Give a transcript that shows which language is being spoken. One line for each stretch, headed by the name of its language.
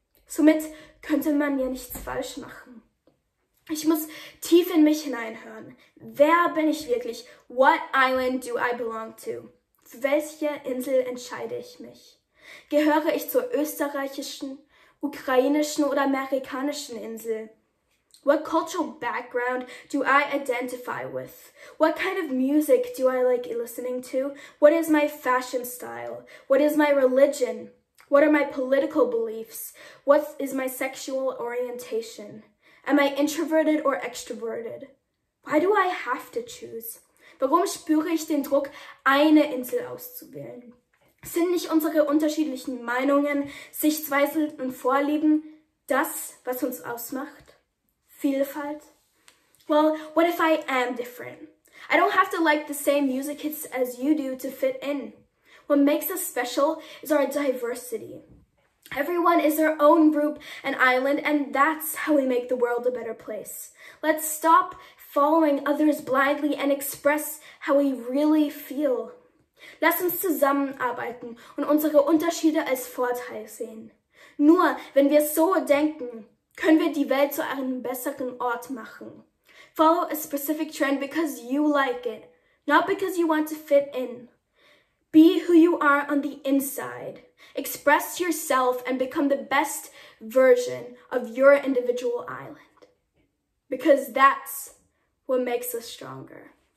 German: Somit könnte man ja nichts falsch machen. Ich muss tief in mich hineinhören. Wer bin ich wirklich?
English: What island do I belong to?
German: Für welche Insel entscheide ich mich? Gehöre ich zur österreichischen, ukrainischen oder amerikanischen Insel?
English: What cultural background do I identify with? What kind of music do I like listening to? What is my fashion style? What is my religion? What are my political beliefs? What is my sexual orientation? Am I introverted or extroverted? Why do I have to choose?
German: Warum spüre ich den Druck, eine Insel auszuwählen? Sind nicht unsere unterschiedlichen Meinungen, Sichtweisen und Vorlieben das, was uns ausmacht?
English: Vielfalt? Well, what if I am different? I don't have to like the same music hits as you do to fit in. What makes us special is our diversity. Everyone is their own group and island, and that's how we make the world a better place. Let's stop following others blindly and express how we really feel.
German: Lass uns zusammenarbeiten und unsere Unterschiede als Vorteil sehen. Nur wenn wir so denken, können wir die Welt zu einem besseren Ort machen.
English: Follow a specific trend because you like it, not because you want to fit in. Be who you are on the inside. Express yourself and become the best version of your individual island. Because that's what makes us stronger.